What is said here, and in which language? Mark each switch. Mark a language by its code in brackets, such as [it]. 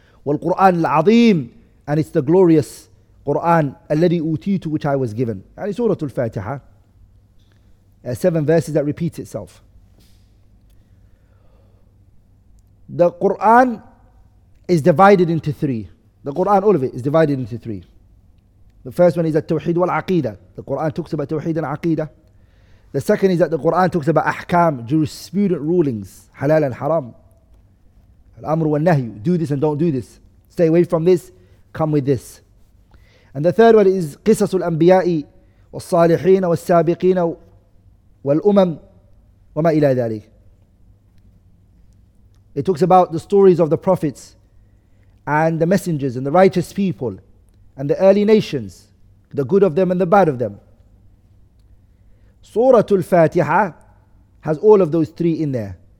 [ar] والقرآن العظيم, [en] and it's the glorious Quran, [ar] الذي أوتيت, [en] which I was given. [ar] يعني سورة الفاتحة, [en] 7 verses that repeats itself. The Quran is divided into 3. The Quran, all of it, is divided into 3. The first one is [ar] التوحيد والعقيدة. [en] The Quran talks about [ar] توحيد والعقيدة. [en] The second is that the Quran talks about أحكام, jurisprudent rulings, حلال and حرام. [ar] الأمر والنهي, [en] do this and don't do this. Stay away from this, come with this. And the third one is [ar] قصص الأنبياء والصالحين والسابقين والأمم وما إلى ذلك. [en] It talks about the stories of the prophets and the messengers and the righteous people and the early nations, the good of them and the bad of them. Surah Al-Fatiha has all of those three in there.